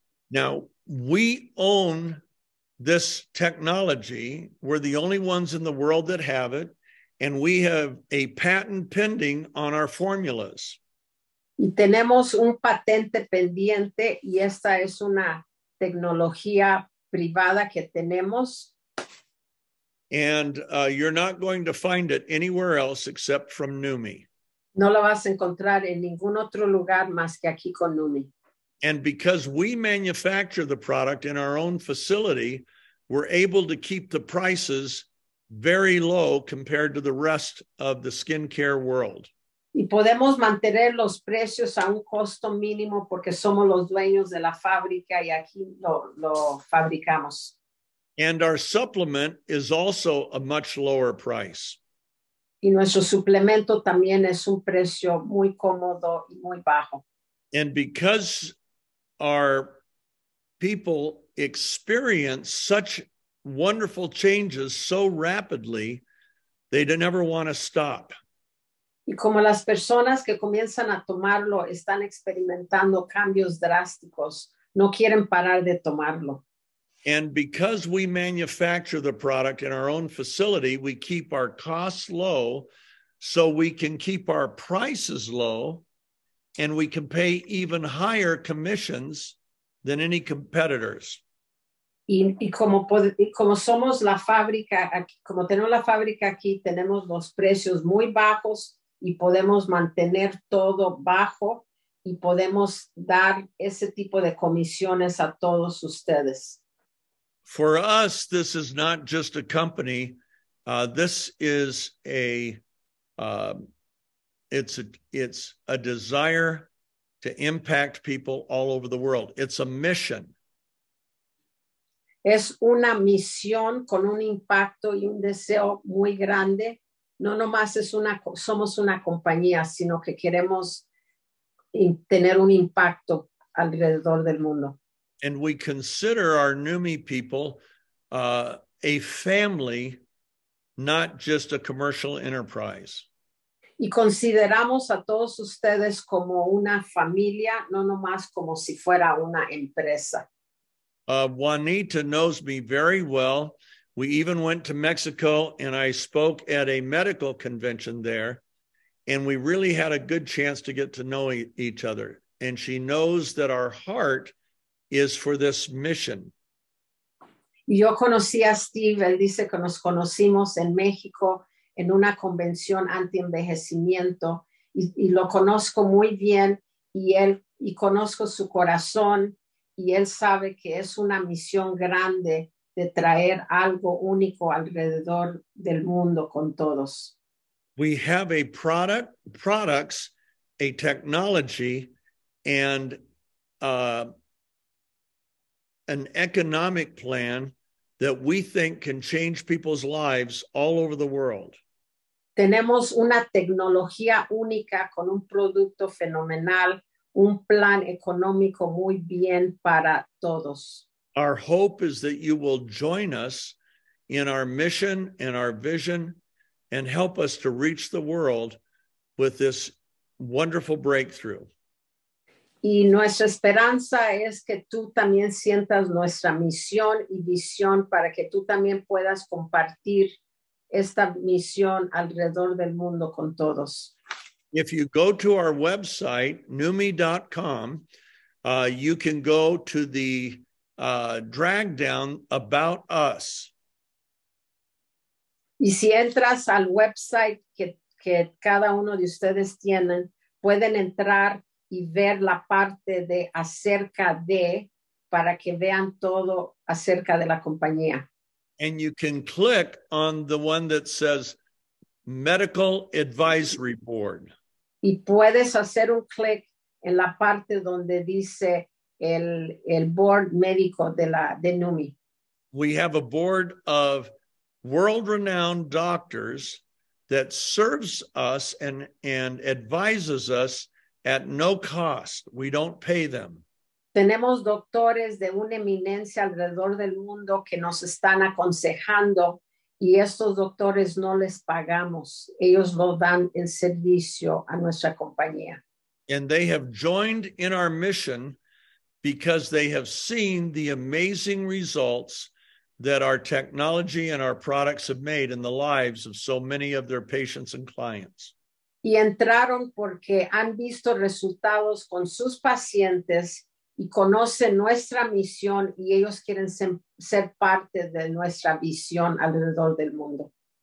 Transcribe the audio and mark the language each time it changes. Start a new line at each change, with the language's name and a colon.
English: Now, we own this technology. We're the only ones in the world that have it. And we have a patent pending on our formulas.
Spanish: Y tenemos un patente pendiente y esta es una tecnología privada que tenemos.
English: And you're not going to find it anywhere else except from NUMMI.
Spanish: No lo vas a encontrar en ningún otro lugar más que aquí con NUMMI.
English: And because we manufacture the product in our own facility, we're able to keep the prices very low compared to the rest of the skincare world.
Spanish: Y podemos mantener los precios a un costo mínimo porque somos los dueños de la fábrica y aquí lo fabricamos.
English: And our supplement is also a much lower price.
Spanish: Y nuestro suplemento también es un precio muy cómodo y muy bajo.
English: And because our people experience such wonderful changes so rapidly, they never want to stop.
Spanish: Y como las personas que comienzan a tomarlo están experimentando cambios drásticos, no quieren parar de tomarlo.
English: And because we manufacture the product in our own facility, we keep our costs low so we can keep our prices low and we can pay even higher commissions than any competitors.
Spanish: Y como somos la fábrica, aquí, como tenemos la fábrica aquí, tenemos los precios muy bajos y podemos mantener todo bajo y podemos dar ese tipo de comisiones a todos ustedes.
English: For us, this is not just a company. This is a desire to impact people all over the world. It's a mission.
Spanish: Es una misión con un impacto y un deseo muy grande. No nomás somos una compañía, sino que queremos tener un impacto alrededor del mundo.
English: And we consider our NUMMI people a family, not just a commercial enterprise.
Spanish: Y consideramos a todos ustedes como una familia, no nomás como si fuera una empresa.
English: Juanita knows me very well. We even went to Mexico and I spoke at a medical convention there. And we really had a good chance to get to know each other. And she knows that our heart is for this mission.
Spanish: Yo conocí a Steve. Él dice que nos conocimos en México en una convención anti-envejecimiento. Y lo conozco muy bien. Y conozco su corazón. Y él sabe que es una misión grande de traer algo único alrededor del mundo con todos.
English: We have a products, a technology, and an economic plan that we think can change people's lives all over the world.
Spanish: Tenemos una tecnología única con un producto fenomenal. Un plan económico muy bien para todos.
English: Our hope is that you will join us in our mission and our vision and help us to reach the world with this wonderful breakthrough.
Spanish: Y nuestra esperanza es que tú también sientas nuestra misión y visión para que tú también puedas compartir esta misión alrededor del mundo con todos.
English: If you go to our website, NUMMI.com, you can go to the drag down about us.
Spanish: Y si entras al website que cada uno de ustedes tienen, pueden entrar y ver la parte de acerca de para que vean todo acerca de la compañía.
English: And you can click on the one that says Medical Advisory Board.
Spanish: Y puedes hacer un click en la parte donde dice el board médico de NUMMI.
English: We have a board of world-renowned doctors that serves us and advises us at no cost. We don't pay them.
Spanish: Tenemos doctores de una eminencia alrededor del mundo que nos están aconsejando, y estos doctores no les pagamos. Ellos lo dan en servicio a nuestra compañía.
English: And they have joined in our mission because they have seen the amazing results that our technology and our products have made in the lives of so many of their patients and clients.
Spanish: Y entraron porque han visto resultados con sus pacientes y conocen nuestra misión, y ellos quieren ser parte de nuestra visión alrededor del mundo.